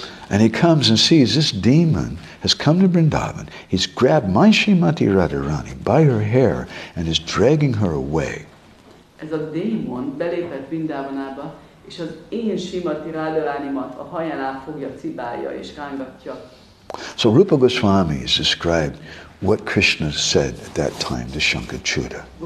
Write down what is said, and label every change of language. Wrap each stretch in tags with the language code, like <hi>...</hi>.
<en>And he comes and sees this demon has come to Vrindavan. He's grabbed my Srimati Radharani by her hair and is dragging her away.</en> <hu>Ez a démon belépett Vrindavanába, és az én Srimati Radharanimat a hajánál fogja, cibálja és rángatja.</hu> <en>So Rupa Goswami has described what Krishna said at that time to Shankachuda.</en>